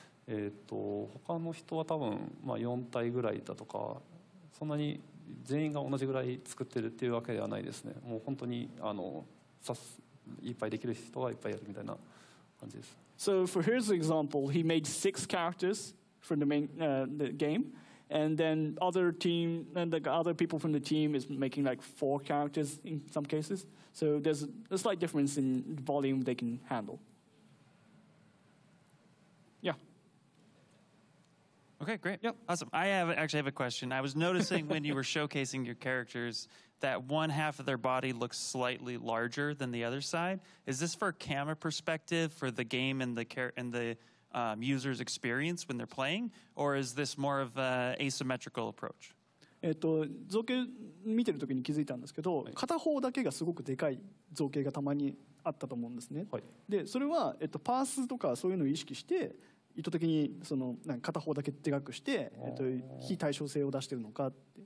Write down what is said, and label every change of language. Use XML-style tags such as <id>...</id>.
<ja>他の人は多分、まあ、4体ぐらいだとかそんなに全員が同じぐらい作ってるっていうわけではないですね。もう本当にあのさすいっぱいできる人はいっぱいやるみたいな感じです。</ja> <en>So for his example, he made 6 characters from the main the game, and then other team and like other people from the team is making like 4 characters in some cases. So there's a slight difference in volume they can handle. Yeah. Okay, great. Yep. Awesome. I have actually have a question. I was noticing when you were showcasing your characters that one half of their body looks slightly larger than the other side. Is this for a camera perspective for the game and the user's experience when they're playing, or is this more of an asymmetrical approach?</en> <ja>造形見てる時に気づいたんですけど、はい、片方だけがすごくでかい造形がたまにあったと思うんですね。はい、で、それは、パースとかそういうのを意識して意図的にそのなんか片方だけでかくして、非対称性を出しているのかって。</ja>